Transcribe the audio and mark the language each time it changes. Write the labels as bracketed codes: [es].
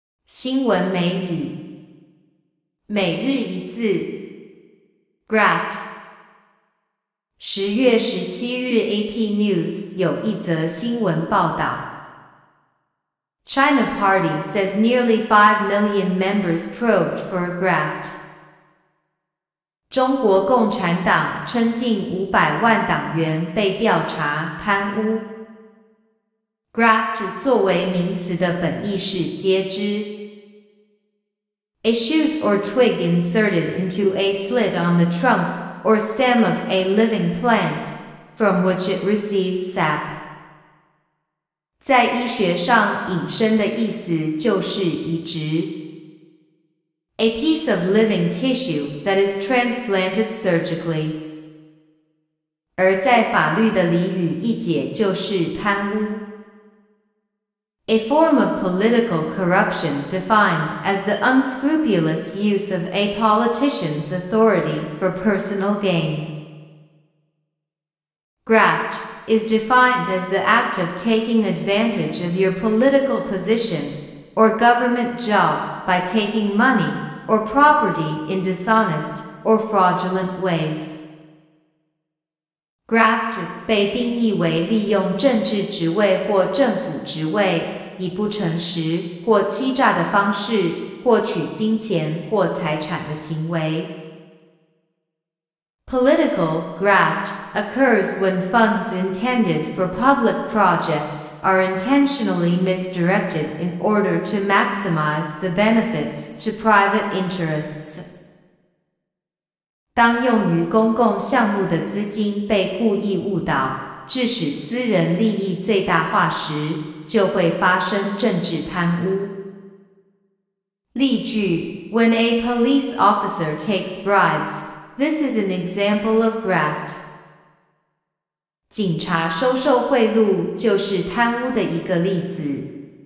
[zh] 新闻美语，每日一字 ，graph。 10月17日 ，AP News 有一则新闻报道 ： [en] China Party says nearly 5 million members probed for a graft。 [zh] 中国共产党称近500万党员被调查贪污。 Graft 作为名词的本意是接枝。 [en] A shoot or twig inserted into a slit on the trunk or stem of a living plant, from which it receives sap. [zh] 在医学上引申的意思就是移植。 [en] A piece of living tissue that is transplanted surgically. [zh] 而在法律的俚语意解就是贪污。 [en] A form of political corruption defined as the unscrupulous use of a politician's authority for personal gain. Graft is defined as the act of taking advantage of your political position or government job by taking money or property in dishonest or fraudulent ways. [zh] Graft 被定义为利用政治职位或政府职位以不诚实或欺诈的方式获取金钱或财产的行为。 [en] Political graft occurs when funds intended for public projects are intentionally misdirected in order to maximize the benefits to private interests. [zh] 当用于公共项目的资金被故意误导，致使私人利益最大化时，就会发生政治贪污。例句： [en] When a police officer takes bribes, this is an example of graft. [zh] 警察收受贿赂就是贪污的一个例子。